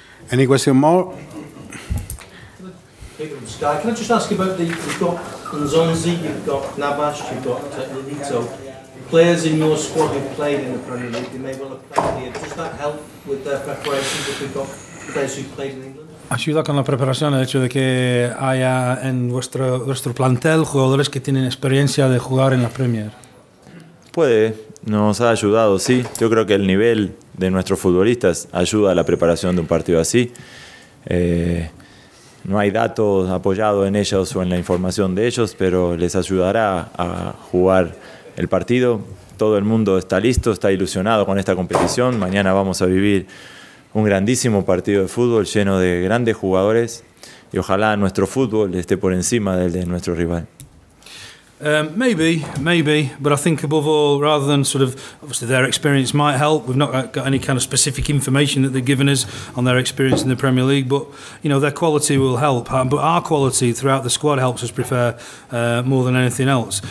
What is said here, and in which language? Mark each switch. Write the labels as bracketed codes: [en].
[en] Any question more? Sky. Can I just ask you about the, you've got Nzonzi, you've got Navas, you've got Berizzo. Players in your squad who've played in the Premier League, they may well have played here. Does that help with their preparations if we've got players who've played in England? [es] Ayuda con la preparación el hecho de que haya en vuestro plantel jugadores que tienen experiencia de jugar en la Premier. Puede, nos ha ayudado, sí. Yo creo que el nivel de nuestros futbolistas ayuda a la preparación de un partido así. No hay datos apoyados en ellos o en la información de ellos, pero les ayudará a jugar el partido. Todo el mundo está listo, está ilusionado con esta competición. Mañana vamos a vivir un grandísimo partido de fútbol lleno de grandes jugadores y ojalá nuestro fútbol esté por encima del de nuestro rival. [en] Maybe, but I think above all, rather than sort of, obviously their experience might help, we've not got any kind of specific information that they've given us on their experience in the Premier League, but, you know, their quality will help, but our quality throughout the squad helps us prepare more than anything else.